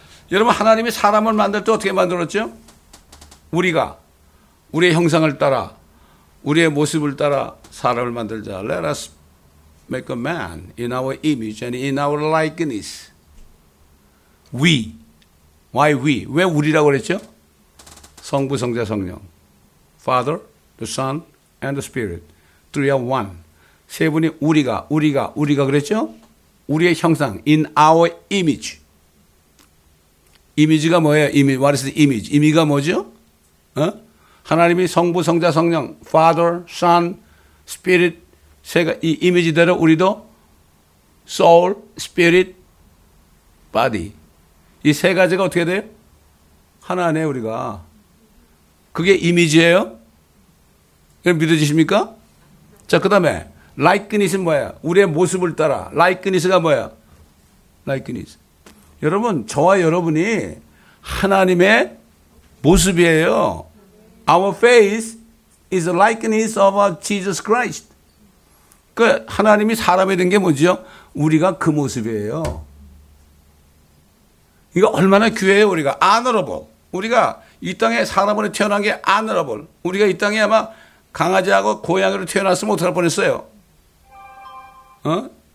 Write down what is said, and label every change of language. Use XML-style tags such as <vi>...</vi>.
<ko>여러분 하나님이 사람을 만들 때 어떻게 만들었죠? 우리가 우리의 형상을 따라 우리의 모습을 따라 사람을 만들자.</ko> <en>Let us make a man in our image and in our likeness. We. Why we?</en> <ko>왜 우리라고 그랬죠? 성부, 성자, 성령.</ko> <en>Father, the Son, and the Spirit. Three are one.</en> <ko>세 분이 우리가 그랬죠? 우리의 형상,</ko> <en>in our image.</en> <ko>이미지가 뭐예요? 이미지.</ko> <en>What is the image?</en> <ko>이미지가 뭐죠? 어? 하나님이 성부, 성자, 성령,</ko> <en>Father, Son, Spirit,</en> <ko>세가 이 이미지대로 우리도</ko> <en>Soul, Spirit, Body.</en> <ko>이 세 가지가 어떻게 돼요? 하나네, 우리가. 그게 이미지예요? 그럼 믿어지십니까? 자, 그 다음에 Likeness는 뭐예요? 우리의 모습을 따라. Likeness가 뭐예요? Likeness. 여러분, 저와 여러분이 하나님의 모습이에요.</ko> <en>Our face is the likeness of Jesus Christ.</en> <ko>그 하나님이 사람이 된 게 뭐죠? 우리가 그 모습이에요. 이거 얼마나 귀해요, 우리가. Honorable. 우리가 이 땅에 사람으로 태어난 게 honorable. 우리가 이 땅에 아마 강아지하고 고양이로 태어났으면 어떡할 뻔했어요. 어?</ko>